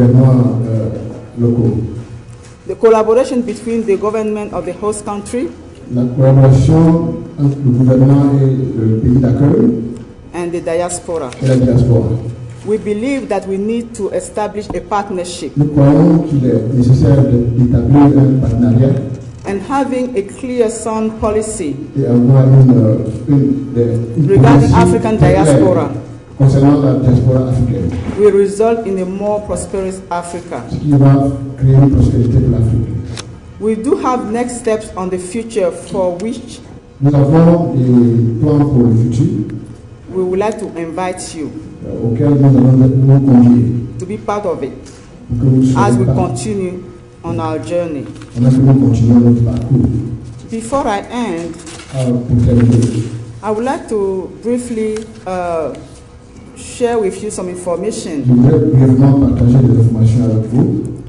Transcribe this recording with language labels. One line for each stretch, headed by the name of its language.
English: The collaboration between the government of the host country
French: entre le gouvernement et le pays d'accueil
English: and the diaspora.
French: Et la diaspora.
English: We believe that we need to establish a partnership.
French: Nous croyons qu'il est nécessaire d'établir un partenariat.
English: And having a clear sound policy.
French: Et avoir une
English: regarding African diaspora.
French: Concernant la diaspora africaine.
English: Will result in a more prosperous Africa.
French: Ce qui va créer une prospérité pour l'Afrique.
English: We do have next steps on the future for which
French: nous avons des plans pour le futur.
English: We would like to invite you
French: auquel nous allons nous convier
English: to be part of it as we continue on our journey.
French: On a pu continuer notre parcours.
English: Before I end,
French: pour terminer,
English: I would like to briefly share with you some information.
French: Je voudrais brièvement partager des informations avec vous.